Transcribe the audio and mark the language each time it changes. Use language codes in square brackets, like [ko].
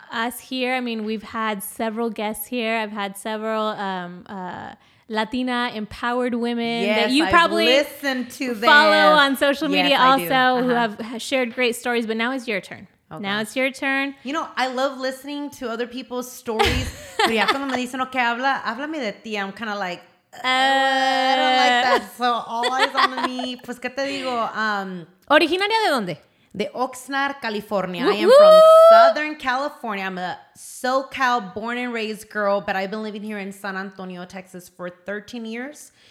[en] Us here, I mean, we've had several guests here. I've had several Latina empowered women that you probably listen to, follow on social media who have shared great stories. But now it's your turn. Okay. Now it's your turn. You know, I love listening to other people's stories. [es] Pero ya cuando me dicen, okay, háblame de ti. [en] I'm kind of like, I don't like that. So all eyes on me. [es] Pues, ¿qué te digo? ¿Originaria de dónde? De [en] Oxnard, California. Woo-hoo! I am from Southern California. I'm a SoCal born and raised girl, but I've been living here in San Antonio, Texas for 13 years.